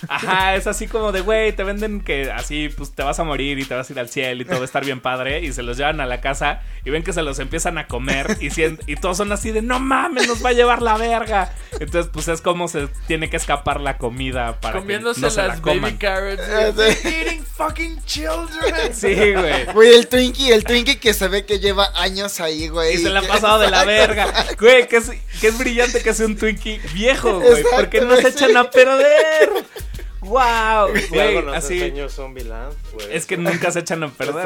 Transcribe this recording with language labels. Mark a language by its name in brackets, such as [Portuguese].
[Spanish] Ajá, es así como de, güey, te venden que así pues te vas a morir y te vas a ir al cielo y todo va a estar bien padre. Y se los llevan a la casa y ven que se los empiezan a comer y todos son así de, no mames, nos va a llevar la verga. Entonces, pues es como se tiene que escapar la comida para comiéndose que no se las la coman. [English] Baby carrots. They're eating fucking children. [Spanish] Sí, güey. Güey, el Twinkie que se ve que lleva años ahí, güey. Y se le ha pasado de la verga, güey, que es brillante que sea un Twinkie viejo, güey. Exacto, porque no se echan a perder. Wow, güey, así Zombieland, es que nunca se echan a perder.